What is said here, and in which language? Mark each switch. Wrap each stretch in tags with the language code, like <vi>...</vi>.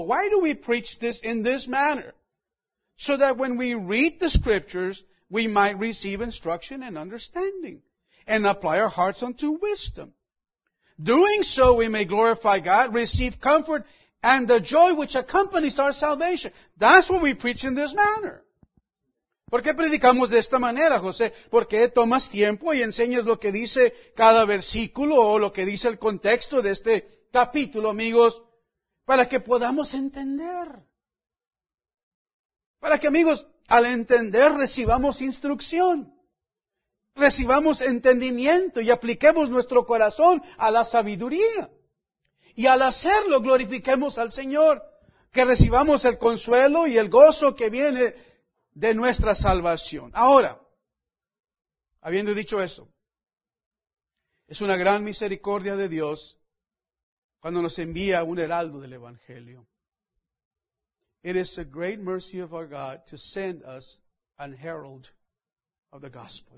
<en>Why do we preach this in this manner? So that when we read the Scriptures, we might receive instruction and understanding and apply our hearts unto wisdom. Doing so, we may glorify God, receive comfort and the joy which accompanies our salvation. That's what we preach in this manner.</en> <es>¿Por qué predicamos de esta manera, José? ¿Por qué tomas tiempo y enseñas lo que dice cada versículo o lo que dice el contexto de este capítulo, amigos? Para que podamos entender. Para que, amigos, al entender recibamos instrucción. Recibamos entendimiento y apliquemos nuestro corazón a la sabiduría. Y al hacerlo, glorifiquemos al Señor. Que recibamos el consuelo y el gozo que viene de nuestra salvación. Ahora, habiendo dicho eso, es una gran misericordia de Dios cuando nos envía un heraldo del Evangelio.</es> <en>It is a great mercy of our God to send us an herald of the gospel.</en>